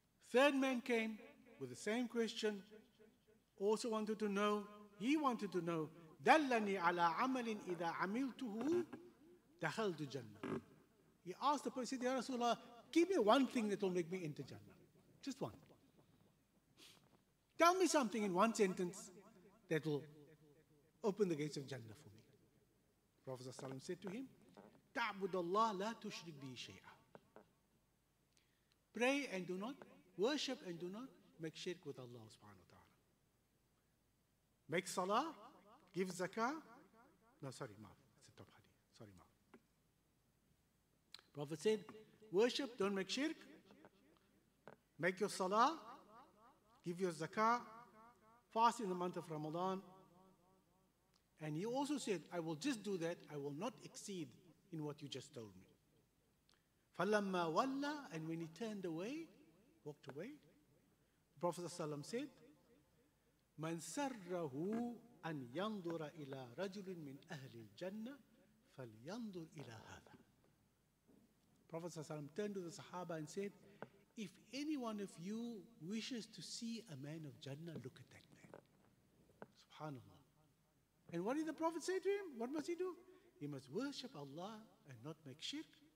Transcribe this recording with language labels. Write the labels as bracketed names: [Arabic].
[English] Third man came with the same question, also wanted to know, he wanted to know, [Arabic] دَلَّنِي عَلَىٰ عَمَلٍ إِذَا عَمِلْتُهُ دَخَلْتُ جَنَّةً. [English] He asked the person, Ya Rasulullah, give me one thing that will make me enter Jannah. Just one. Tell me something in one sentence that will open the gates of Jannah for me. Prophet said to him, [Arabic] تَعْبُدَ اللَّهَ لَا تُشْرِكْ بِهِ شَيْئًا. [English] Pray and do not worship and do not make shirk with Allah subhanahu wa ta'ala. Make salah, give zakah. No, sorry, ma'am. It's a top hadith. Sorry, ma'am. Prophet said, worship, don't make shirk. Make your salah, give your zakah, fast in the month of Ramadan. And he also said, I will just do that, I will not exceed in what you just told me. [Arabic] فَلَمَّا وَلَّى, [English] and when he turned away, walked away, the Prophet ﷺ said, [Arabic] مَنْ سَرَّهُ أَنْ يَنْظُرَ إِلَىٰ رَجُلٍ مِّنْ أَهْلِ الْجَنَّةِ فَلْيَنْظُرْ إِلَىٰ هَذَا. [English] Prophet ﷺ turned to the Sahaba and said, if any one of you wishes to see a man of Jannah, look at that man. Subhanallah. And what did the Prophet say to him? What must he do? He must worship Allah and not make shirk.